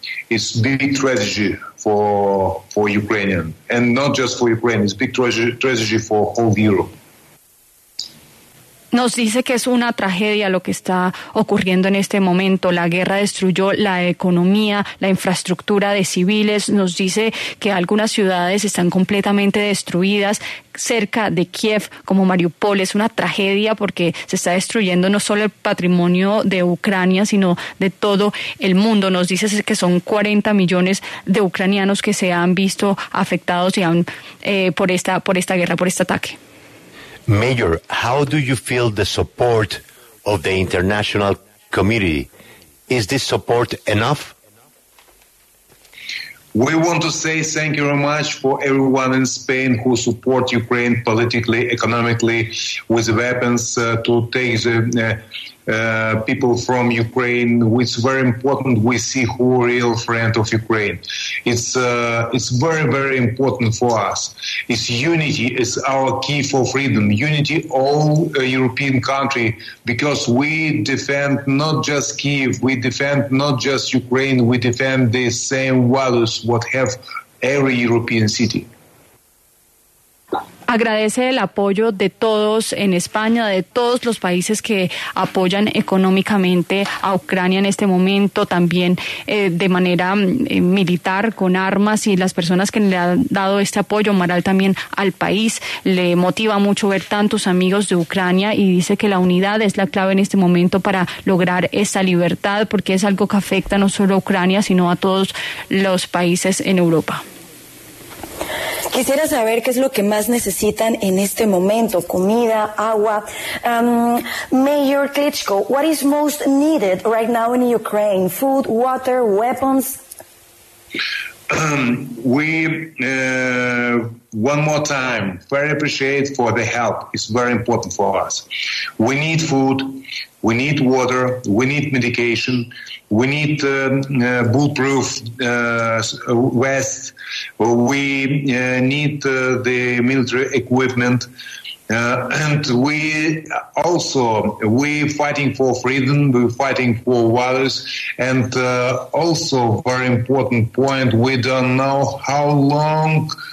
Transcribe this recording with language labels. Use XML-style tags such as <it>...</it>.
<en>It's big tragedy for Ukrainian, and not just for Ukraine. It's big tragedy for whole Europe.</en> <es>Nos dice que es una tragedia lo que está ocurriendo en este momento. La guerra destruyó la economía, la infraestructura de civiles. Nos dice que algunas ciudades están completamente destruidas cerca de Kiev, como Mariupol. Es una tragedia porque se está destruyendo no solo el patrimonio de Ucrania, sino de todo el mundo. Nos dice que son 40 millones de ucranianos que se han visto afectados y han, por esta guerra, por este ataque.</es> <en>Mayor, how do you feel the support of the international community? Is this support enough? We want to say thank you very much for everyone in Spain who support Ukraine politically, economically, with weapons to take the people from Ukraine. It's very important we see who are real friend of Ukraine. It's very, very important for us. It's unity. It's our key for freedom. Unity all European country, because we defend not just Kyiv, we defend not just Ukraine, we defend the same values what have every European city.</en> <es>Agradece el apoyo de todos en España, de todos los países que apoyan económicamente a Ucrania en este momento, también de manera militar, con armas, y las personas que le han dado este apoyo moral también al país. Le motiva mucho ver tantos amigos de Ucrania y dice que la unidad es la clave en este momento para lograr esa libertad, porque es algo que afecta no solo a Ucrania, sino a todos los países en Europa. Quisiera saber qué es lo que más necesitan en este momento, comida, agua.</es> <en>Mayor Klitschko, what is most needed right now in Ukraine? Food, water, weapons? One more time, very appreciate for the help. It's very important for us. We need food, we need water, we need medication, we need bulletproof vest, we need the military equipment, and we also, we're fighting for freedom, we're fighting for values, and also very important point, we don't know how long</en>